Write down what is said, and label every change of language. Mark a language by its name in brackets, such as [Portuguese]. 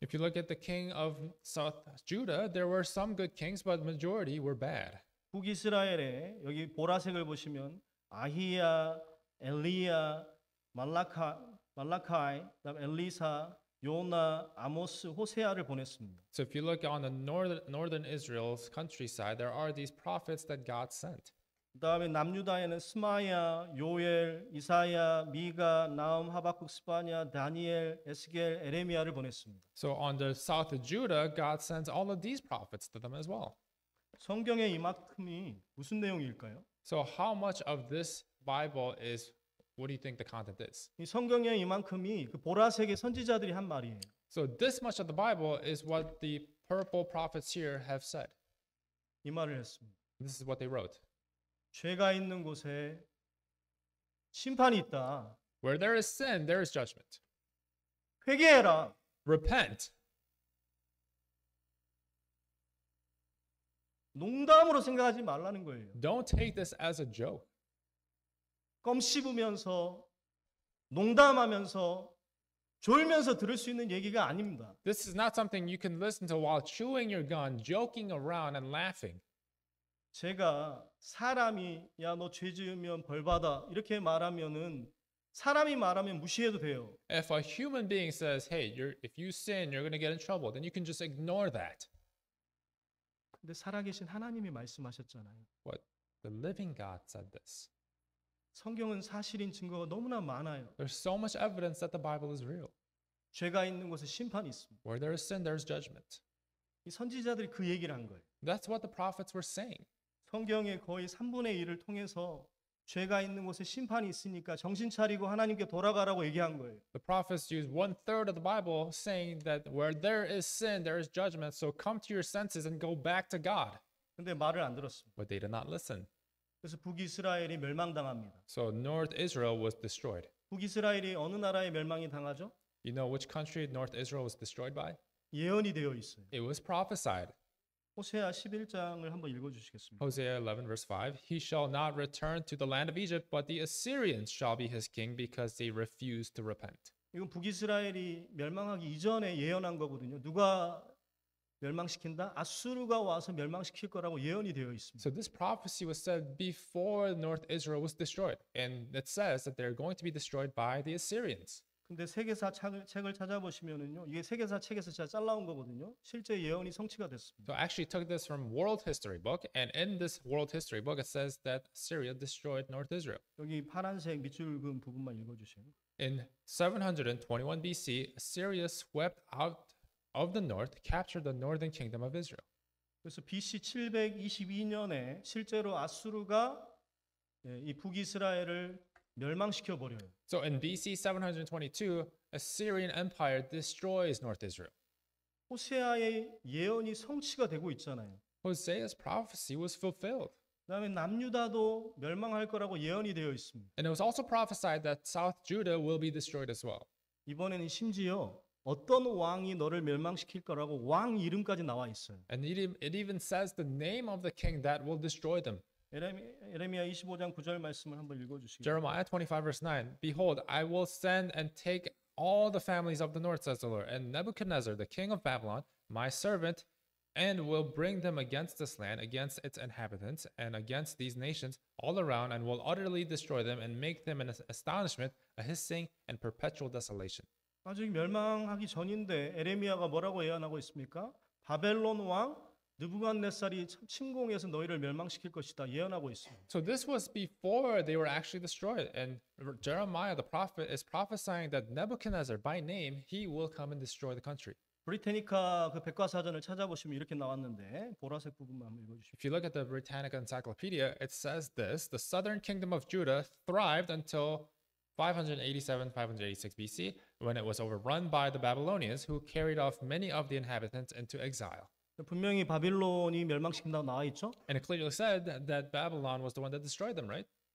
[English] If you look at the king of South Judah, there were some good kings, but majority were bad. [Korean] 북이스라엘에 여기 보라색을 보시면 아히야, 엘리야, 말라카이, 그다음 엘리사, 요나, 아모스, 호세아를 보냈습니다. [English] So if you look on the northern Israel's countryside, there are these prophets that God sent. [Korean] 그다음에 남유다에는 스마야, 요엘, 이사야, 미가, 나움, 하박국, 스바냐, 다니엘, 에스겔, 에레미야를 보냈습니다. [English] So on the south of Judah, God sends all of these prophets to them as well. [Korean] 성경의 이만큼이 무슨 내용일까요? [English] So how much of this Bible is What do you think the content is? [Korean] 이 성경의 이만큼이 그 보라색의 선지자들이 한 말이에요. [English] So this much of the Bible is what the purple prophets here have said. [Korean] 이 말을 했습니다. [English] This is what they wrote. [Korean] 죄가 있는 곳에 심판이 있다. [English] Where there is sin, there is judgment. [Korean] 회개해라. [English] Repent. [Korean] 농담으로 생각하지 말라는 거예요. [English] Don't take this as a joke. [Korean] 껌 씹으면서 농담하면서 졸면서 들을 수 있는 얘기가 아닙니다. [English] This is not something you can listen to while chewing your gum, joking around and laughing. [Korean] 제가 사람이 야 너 죄 지으면 벌 받아 이렇게 말하면은 사람이 말하면 무시해도 돼요. [English] If a human being says, "Hey, if you sin, you're going to get in trouble," then you can just ignore that. [Korean] 근데 살아계신 하나님이 말씀하셨잖아요. [English] What the living God said this. [Korean] 성경은 사실인 증거가 너무나 많아요. [English] There's so much evidence that the Bible is real. [Korean] 죄가 있는 곳에 심판이 있습니다. [English] Where there is sin, there is judgment. [Korean] 이 선지자들이 그 얘기를 한 거예요. [English] That's what the prophets were saying. [Korean] 성경의 거의 3분의 1을 통해서 죄가 있는 곳에 심판이 있으니까 정신 차리고 하나님께 돌아가라고 얘기한 거예요. [English] The prophets used one third of the Bible saying that where there is sin, there is judgment. So come to your senses and go back to God. [Korean] 근데 말을 안 들었습니다. [English] But they did not listen. [Korean] 그래서 북이스라엘이 멸망당합니다. [English] So North Israel was destroyed. [Korean] 북이스라엘이 어느 나라에 멸망이 당하죠? [English] You know which country North Israel was destroyed by? [Korean] 예언이 되어 있어요. [English] It was prophesied. [Korean] 호세아 11장을 한번 읽어주시겠습니까? [English] Hosea 11 verse 5. He shall not return to the land of Egypt, but the Assyrians shall be his king because they refused to repent. [Korean] 이건 북이스라엘이 멸망하기 이전에 예언한 거거든요. 누가 멸망시킨다. 아수르가 와서 멸망시킬 거라고 예언이 되어 있습니다. [English] So this prophecy was said before North Israel was destroyed, and it says that they're going to be destroyed by the Assyrians. [Korean] 근데 세계사 책을 찾아보시면은요, 이게 세계사 책에서 제가 잘라온 거거든요. 실제 예언이 성취가 됐습니다. [English] So I actually took this from World History book, and in this World History book, it says that Syria destroyed North Israel. [Korean] 여기 파란색 밑줄 그은 부분만 읽어주세요. [English] In 721 BC, Assyria swept out of the north, captured the northern kingdom of Israel. [Korean] 그래서 BC 722년에 실제로 아수르가 이 북이스라엘을 멸망시켜 버려요. [English] So in BC 722, Assyrian Empire destroys North Israel. [Korean] 호세아의 예언이 성취가 되고 있잖아요. [English] Hosea's prophecy was fulfilled. [Korean] 그다음에 남유다도 멸망할 거라고 예언이 되어 있습니다. [English] And it was also prophesied that South Judah will be destroyed as well. [Korean] 이번에는 심지어 어떤 왕이 너를 멸망시킬 거라고 왕 이름까지 나와 있어요. [English] And it even says the name of the king that will destroy them. [Korean] 예레미야 25장 9절 말씀을 한번 읽어 주시겠어요? [English] Jeremiah 25 verse 9. Behold, I will send and take all the families of the north, says the Lord, and Nebuchadnezzar, the king of Babylon, my servant, and will bring them against this land, against its inhabitants, and against these nations all around, and will utterly destroy them and make them an astonishment, a hissing and perpetual desolation. [Korean] 아직 멸망하기 전인데 예레미야가 뭐라고 예언하고 있습니까? 바벨론 왕 느부갓네살이 침공해서 너희를 멸망시킬 것이다 예언하고 있습니다. [English] So this was before they were actually destroyed, and Jeremiah the prophet is prophesying that Nebuchadnezzar by name he will come and destroy the country. [Korean] 브리테니카 그 백과사전을 찾아보시면 이렇게 나왔는데 보라색 부분만 한번 읽어주십시오. [English] If you look at the Britannica Encyclopedia, it says this: the southern kingdom of Judah thrived until 587-586 BC, when it was overrun by the Babylonians, who carried off many of the inhabitants into exile. [Korean] 분명히 바빌론이 멸망시킨다고 나와 있죠? [English] And it clearly said that Babylon was the one that destroyed them, right?